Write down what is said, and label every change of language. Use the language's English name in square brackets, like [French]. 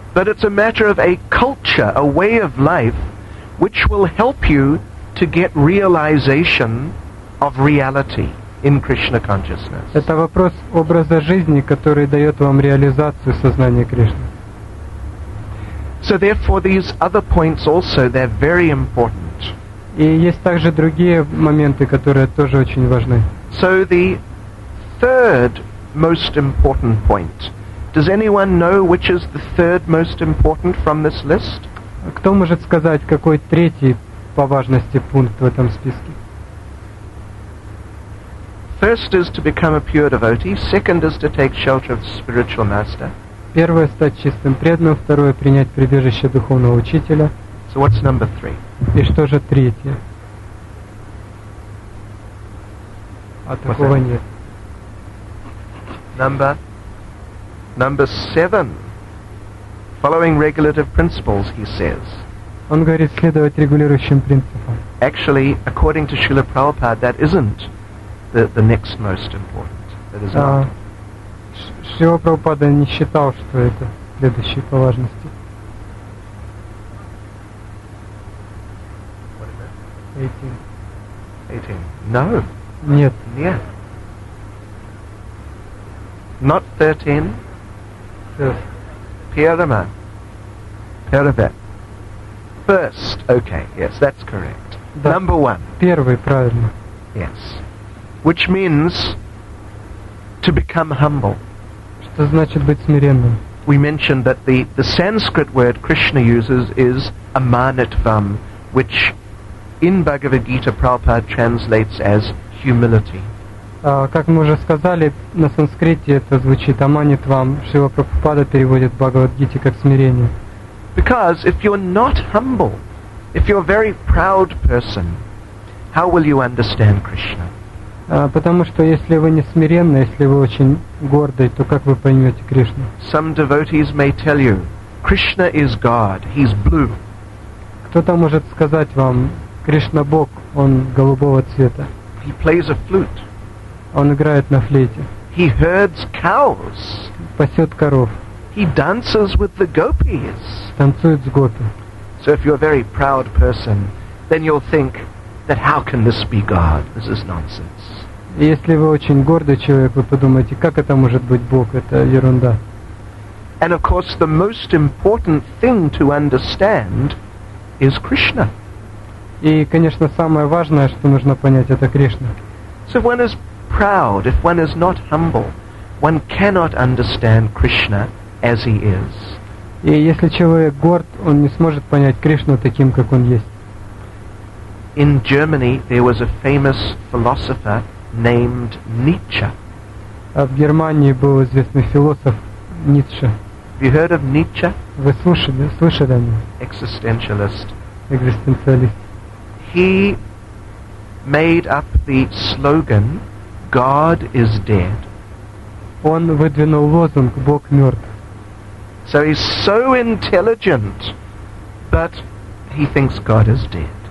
[English] But it's a matter of a culture, a way of life, which will help you to get realization of reality in Krishna consciousness. [Russian] Это вопрос образа жизни, который дает вам реализацию сознания Кришны. [English] So therefore these other points also, they're very important. [Russian] И есть также другие моменты, которые тоже очень важны. [English] So the third most important point. Does anyone know which is the third most important from this list? [Russian] Кто может сказать, какой третий по важности пункт в этом списке? [English] First is to become a pure devotee. Second is to take shelter of the spiritual master. [Russian] Первое — стать чистым преданным. Второе — принять прибежище духовного учителя. [English] So what's number three? [Russian] И что же третье? А такого нет. [English] Number seven. Following regulative principles, he says. [Russian] Он говорит, следовать регулирующим принципам. [English] Actually, according to Srila Prabhupada, that isn't the next most important. That is not. [Russian] Srila Prabhupada не считал, что это следующий по важности. [English] What is that? 18. 18. No. [Russian] Нет. [English] Yeah. Not 13. Pirama. Pirabet. First, okay, yes, that's correct. [Russian] Да. [English] Number one. [Russian] Первый, правильно. [English] Yes. Which means to become humble. [Russian] Что значит быть смиренным? [English] We mentioned that the Sanskrit word Krishna uses is amanatvam, which in Bhagavad Gita Prabhupada translates as humility. [Russian] Как мы уже сказали, на санскрите это звучит аманитвам. Шрила Прабхупада переводит Бхагавад-гите как смирение. [English] Because if you're not humble, if you're a very proud person, how will you understand Krishna? [Russian] Потому что если вы не смиренны, если вы очень гордый, то как вы поймете Кришну? [English] Some devotees may tell you, Krishna is God, he's blue. [Russian] Кто-то может сказать вам, Кришна Бог, он голубого цвета. [English] He plays a flute. [Russian] Он играет на флейте. [English] He herds cows. [Russian] Пасет коров. [English] He dances with the gopis. [Russian] Танцует с гопи. [English] So if you're a very proud person, then you'll think that how can this be God? This is nonsense. [Russian] Если вы очень гордый человек, вы подумаете, как это может быть Бог? Это ерунда. [English] And of course, the most important thing to understand is Krishna. [Russian] И, конечно, самое важное, что нужно понять, это Кришна. [English] So if one is proud, if one is not humble, one cannot understand Krishna as he is. [Russian] И если человек горд, он не сможет понять Кришну таким, как он есть. [English] In Germany there was a famous philosopher named Nietzsche. [Russian] В Германии был известный философ Ницше. [English] Have you heard of Nietzsche? [Russian] Вы слышали о нем? [English] Existentialist. [Russian] Экзистенциалист. [English] He made up the slogan God is dead. [Russian] Он выдвинул лозунг Бог мертв. [English] So he's so intelligent, but he thinks God is dead.